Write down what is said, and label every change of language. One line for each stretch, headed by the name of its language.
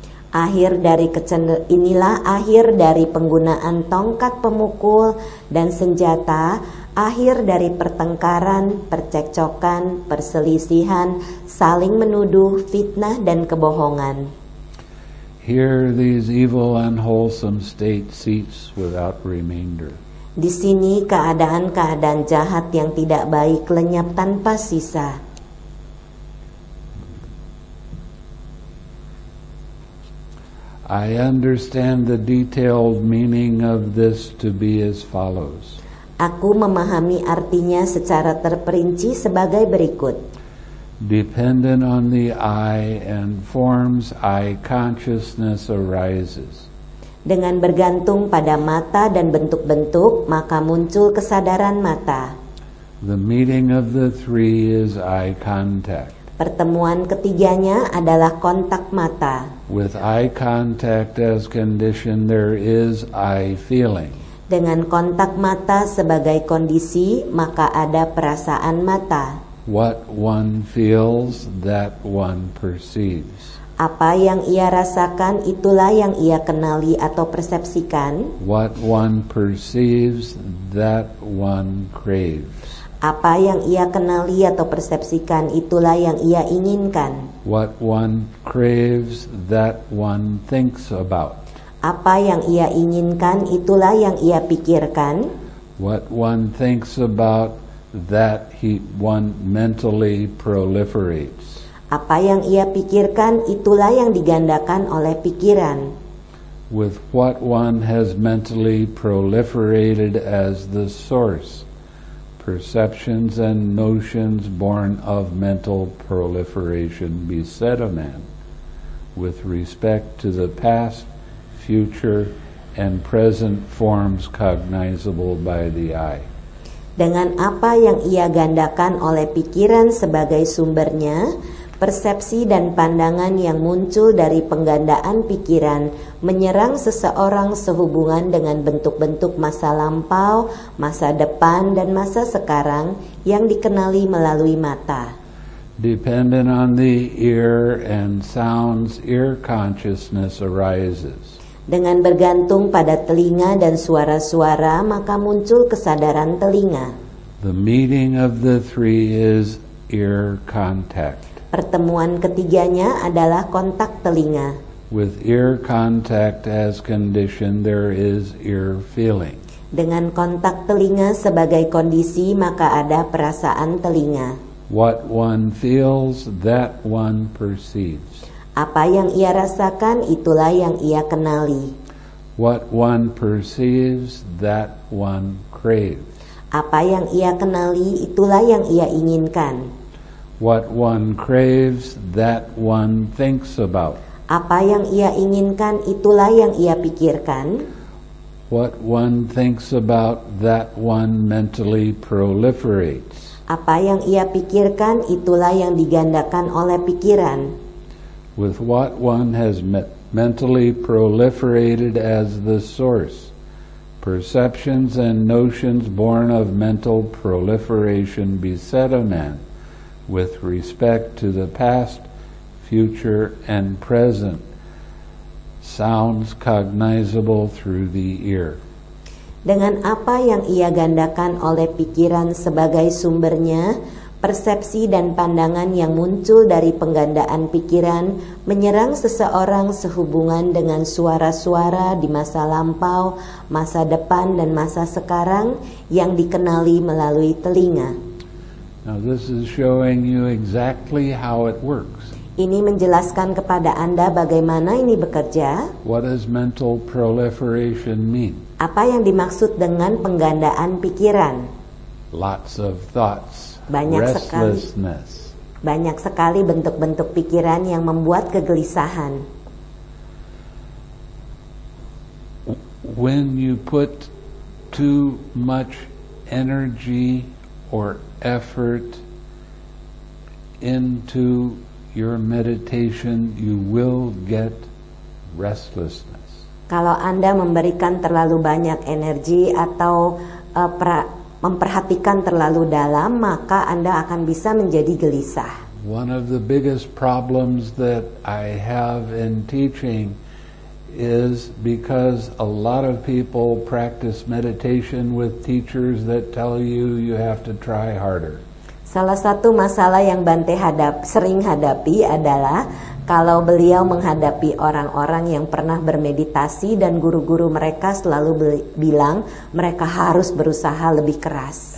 Indonesian: Akhir dari inilah akhir dari penggunaan tongkat pemukul dan senjata, akhir dari pertengkaran, percekcokan, perselisihan, saling menuduh, fitnah, dan kebohongan.
English: Here these evil unwholesome state seats without remainder.
Indonesian: Di sini keadaan-keadaan jahat yang tidak baik lenyap tanpa sisa.
English: I understand the detailed meaning of this to be as follows.
Indonesian: Aku memahami artinya secara terperinci sebagai berikut.
English: Dependent on the eye and forms, eye consciousness arises.
Indonesian: Dengan bergantung pada mata dan bentuk-bentuk, maka muncul kesadaran mata.
English: The meeting of the three is eye contact.
Indonesian: Pertemuan ketiganya adalah kontak mata.
English: With eye contact as condition, there is eye feeling.
Indonesian: Dengan kontak mata sebagai kondisi, maka ada perasaan mata.
English: What one feels, that one perceives.
Indonesian: Apa yang ia rasakan, itulah yang ia kenali atau persepsikan.
English: What one perceives, that one craves.
Indonesian: Apa yang ia kenali atau persepsikan, itulah yang ia inginkan.
English: What one craves, that one thinks about.
Indonesian: Apa yang ia inginkan, itulah yang ia pikirkan.
English: What one thinks about, that he one mentally proliferates.
Indonesian: Apa yang ia pikirkan, itulah yang digandakan oleh pikiran.
English: With what one has mentally proliferated as the source, perceptions and notions born of mental proliferation beset a man, with respect to the past, future, and present forms cognizable by the eye.
Indonesian: Dengan apa yang ia gandakan oleh pikiran sebagai sumbernya, Persepsi dan pandangan yang muncul dari penggandaan pikiran menyerang seseorang sehubungan dengan bentuk-bentuk masa lampau, masa depan, dan masa sekarang yang dikenali melalui mata.
English: Dependent on the ear and sounds, ear consciousness arises.
Indonesian: Dengan bergantung pada telinga dan suara-suara, maka muncul kesadaran telinga.
English: The meeting of the three is ear contact.
Indonesian: Pertemuan ketiganya adalah kontak telinga.
English: With ear contact as condition, there is ear feeling.
Indonesian: Dengan kontak telinga sebagai kondisi, maka ada perasaan telinga.
English: What one feels, that one perceives.
Indonesian: Apa yang ia rasakan, itulah yang ia kenali.
English: What one perceives, that one craves.
Indonesian: Apa yang ia kenali, itulah yang ia inginkan.
English: What one craves, that one thinks about.
Indonesian: Apa yang ia inginkan, itulah yang ia pikirkan.
English: What one thinks about, that one mentally proliferates.
Indonesian: Apa yang ia pikirkan, itulah yang digandakan oleh pikiran.
English: With what one has mentally proliferated as the source, perceptions and notions born of mental proliferation beset a man with respect to the past, future, and present sounds cognizable through the ear.
Indonesian: Dengan apa yang ia gandakan oleh pikiran sebagai sumbernya, persepsi dan pandangan yang muncul dari penggandaan pikiran menyerang seseorang sehubungan dengan suara-suara di masa lampau, masa depan, dan masa sekarang yang dikenali melalui telinga.
English: Now this is showing you exactly how it works.
Indonesian: Ini menjelaskan kepada Anda bagaimana ini bekerja.
English: What does mental proliferation mean?
Indonesian: Apa yang dimaksud dengan penggandaan pikiran?
English: Lots of thoughts.
Indonesian: Banyak
English: restlessness.
Indonesian: Banyak sekali bentuk-bentuk pikiran yang membuat kegelisahan.
English: When you put too much energy or effort into your meditation, you will get restlessness.
Indonesian: Kalau Anda memberikan terlalu banyak energi atau memperhatikan terlalu dalam, maka Anda akan bisa menjadi gelisah.
English: One of the biggest problems that I have in teaching is because a lot of people practice meditation with teachers that tell you you have to try harder.
Indonesian: Salah satu masalah yang Bante sering hadapi adalah kalau beliau menghadapi orang-orang yang pernah bermeditasi dan guru-guru mereka selalu bilang mereka harus berusaha lebih keras.